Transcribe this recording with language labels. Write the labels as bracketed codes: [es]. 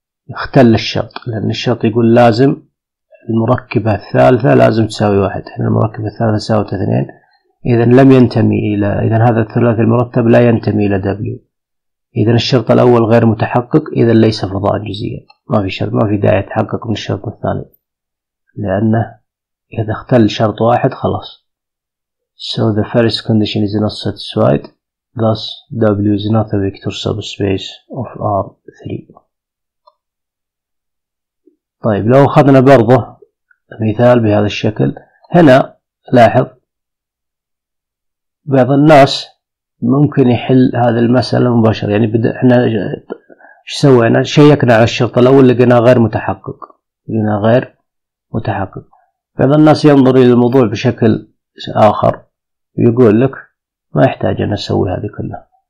[ar] اختل الشرط لأن الشرط يقول لازم المركبة الثالثة لازم تساوي 1، هنا المركبة الثالثة ساوت 2، إذن لم ينتمي إلى، إذن هذا الثلاثي المرتب لا ينتمي إلى W، إذا الشرط الأول غير متحقق، إذا ليس فضاء جزئيا، ما في شرط، ما في داعي تحقق من الشرط الثاني، لأنه إذا اختل شرط واحد خلاص. [en] So the first condition is not satisfied. Thus, W is not a vector subspace of R3. [ar] طيب لو أخذنا برضه مثال بهذا الشكل، هنا لاحظ بعض الناس ممكن يحل هذه المسألة مباشرة، يعني احنا سوينا شيكنا على الشرط الأول لقيناه غير متحقق، لقيناه غير متحقق، بعض الناس ينظر إلى الموضوع بشكل آخر ويقول لك ما يحتاج أن نسوي هذه كلها،